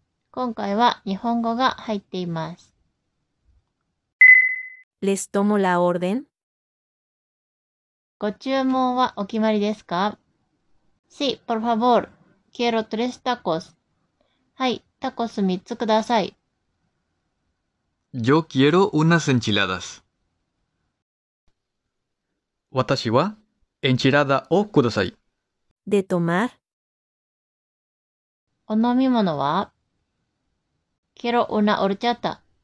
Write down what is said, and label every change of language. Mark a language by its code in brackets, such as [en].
[ja] 今回は日本語が入っています。 [es] Les tomo la orden。 [ja] ご注文はお決まりですか ？ [es] Sí, por favor. Quiero tres tacos。 [ja] はい、タコス三つください。 [es] Yo quiero unas enchiladas. [ja] 私はエンチラダをください。で、tomar。お飲み物は [es] Quiero una horchata.